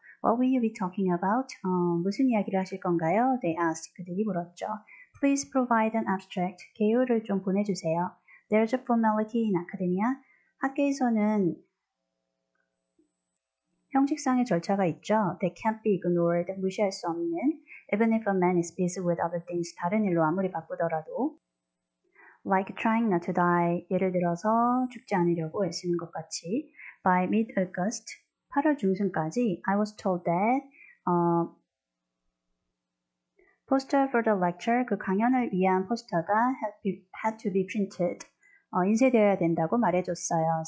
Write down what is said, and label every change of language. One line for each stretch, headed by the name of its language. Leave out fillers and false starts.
English: What will you be talking about?
Korean: 무슨 이야기를 하실 건가요?
English: They asked.
Korean: 그들이 물었죠.
English: Please provide an abstract.
Korean: 개요를 좀 보내주세요.
English: There's a formality in academia.
Korean: 학계에서는 형식상의 절차가 있죠.
English: They can't be ignored.
Korean: 무시할 수 없는.
English: Even if a man is busy with other things.
Korean: 다른 일로 아무리 바쁘더라도.
English: Like trying not to die,
Korean: 예를 들어서 죽지 않으려고 애쓰는 것 같이.
English: By mid-August,
Korean: 8월 중순까지,
English: I was told that poster for the lecture,
Korean: 그 강연을 위한 포스터가
English: had to be printed,
Korean: 인쇄되어야 된다고 말해줬어요.